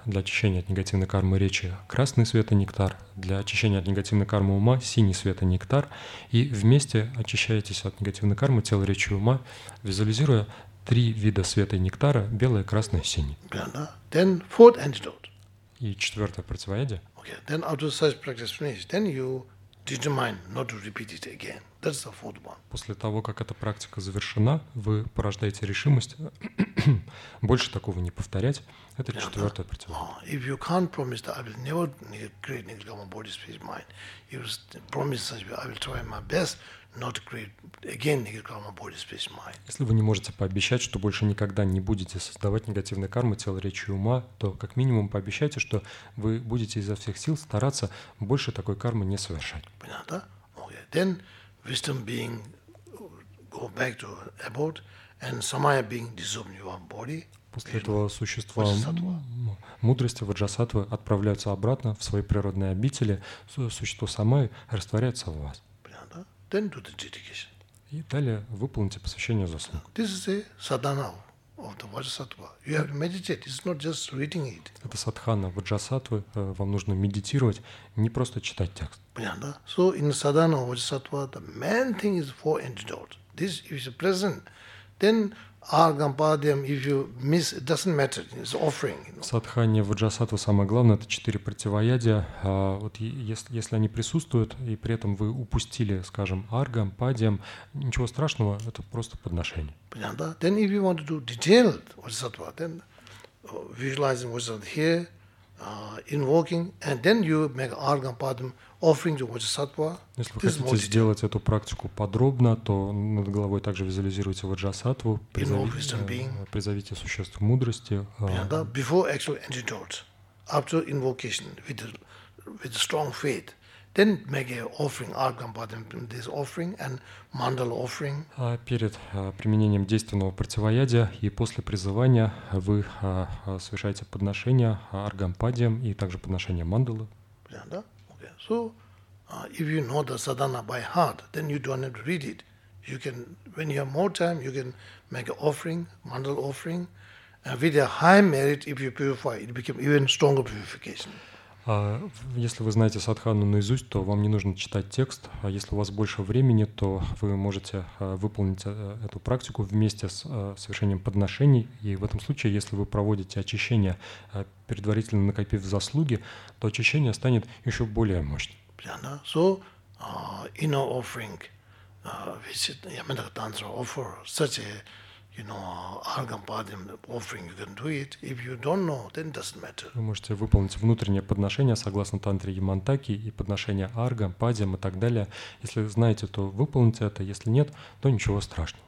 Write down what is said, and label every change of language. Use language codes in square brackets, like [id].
[ru] Для очищения от негативной кармы речи – красный свет и нектар. Для очищения от негативной кармы ума – синий свет и нектар. И вместе очищаетесь от негативной кармы тела, речи и ума, визуализируя три вида света и нектара – белое, красное, синий. [en] Then fourth antidote. [ru] И четвертое противоядие. [en] Okay. Then after such practice finished, then you determine not to repeat it again. That's the fourth one. [ru] После того, как эта практика завершена, вы порождаете решимость больше такого не повторять. Это четвертое противоядие. [en] If you can't promise that I will never create negative karma, body, speech, mind, you promise that I will try my best not to create again negative karma, body, speech, mind. [ru] Если вы не можете пообещать, что больше никогда не будете создавать негативные кармы тела, речи и ума, то как минимум пообещайте, что вы будете изо всех сил стараться больше такой кармы не совершать. Понятно? [en] Okay. Then wisdom being go back to abode and samaya being dissolved in your body. [ru] После этого существа мудрости ваджасатвы отправляются обратно в свои природные обители, существо самаи растворяется в вас. [en] Then do the dedication. [ru] И далее выполните посвящение заслуг. [en] This is a sadhana of the vajrasattva. You have to meditate. It's not just reading it. [ru] Это садхана ваджасатвы. Вам нужно медитировать, не просто читать текст. Понятно? [en] So in sadhana vajrasattva, the main thing is four antidotes. This is present. Then Аргампадиям, if you miss, it doesn't matter, it's offering. You know? [ru] Садхане ваджасатва самое главное, это четыре противоядия. Вот если они присутствуют, и при этом вы упустили, скажем, аргампадиям, ничего страшного, это просто подношение. Понятно? [en] Then if you want to do detailed ваджасатва, then visualizing ваджасатва here, invoking, and then you make аргампадиям, offering to ваджасатва. [ru] Если вы хотите сделать эту практику подробно, то над головой также визуализируйте ваджасатву, призовите существ мудрости. [en] Before actual antidote, after invocation, with strong faith, then make a offering, аргампадиям, this offering and мандала offering. [ru] Перед применением действенного противоядия и после призывания вы совершаете подношение аргампадиям и также подношение мандалы. [en] So, if you know the sadhana by heart, then you don't have to read it. You can, when you have more time, you can make an offering, mandala offering, and with a high merit, if you purify, it becomes even stronger purification. [ru] Если вы знаете садхану наизусть, то вам не нужно читать текст. А если у вас больше времени, то вы можете выполнить эту практику вместе с совершением подношений. И в этом случае, если вы проводите очищение, предварительно накопив заслуги, то очищение станет еще более мощным. [en] So, inner offering, which Yamadaka Tantra offer, such a, you know, аргампадиям offering, you can do it. If you don't know, then it doesn't matter. [ru] Вы можете выполнить внутреннее подношение согласно тантре Ямантаки и подношение аргампадиям и так далее. Если знаете, то выполните это. Если нет, то ничего страшного.